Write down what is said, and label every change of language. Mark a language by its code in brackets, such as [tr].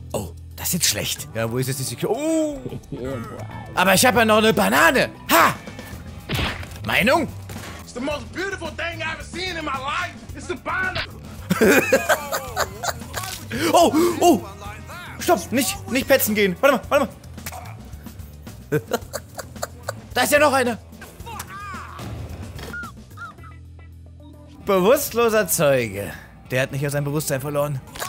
[de] Oh, das ist jetzt schlecht. Ja, wo ist jetzt die Security? Oh. Aber ich habe ja noch eine Banane. Ha! Meinung? [en] It's the most beautiful thing I've ever seen in my life. It's the banana. Oh, oh. [de] Stopp, nicht petzen gehen. Warte mal. Da ist ja noch eine. Bewusstloser Zeuge. Der hat nicht aus seinem Bewusstsein verloren.